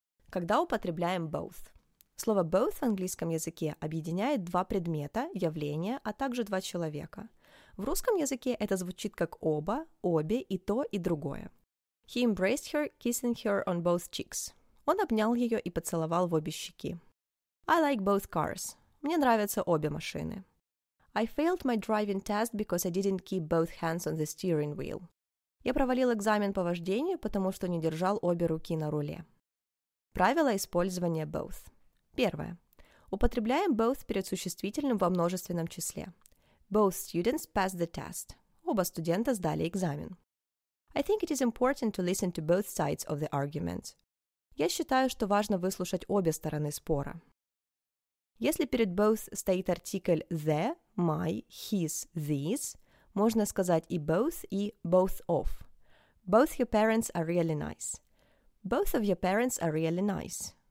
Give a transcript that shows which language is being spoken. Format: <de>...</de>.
<ru>Когда употребляем both? Слово both в английском языке объединяет два предмета, явления, а также два человека. В русском языке это звучит как оба, обе, и то, и другое.</ru> <en>He embraced her, kissing her on both cheeks.</en> <ru>Он обнял ее и поцеловал в обе щеки.</ru> <en>I like both cars.</en> <ru>Мне нравятся обе машины.</ru> <en>I failed my driving test because I didn't keep both hands on the steering wheel.</en> <ru>Я провалил экзамен по вождению, потому что не держал обе руки на руле. Правила использования both. Первое. Употребляем both перед существительным во множественном числе.</ru> <en>Both students passed the test.</en> <ru>Оба студента сдали экзамен.</ru> <en>I think it is important to listen to both sides of the argument.</en> <ru>Я считаю, что важно выслушать обе стороны спора. Если перед both стоит артикль the, my, his, these, можно сказать и both of.</ru> <en>Both your parents are really nice. Both of your parents are really nice.</en>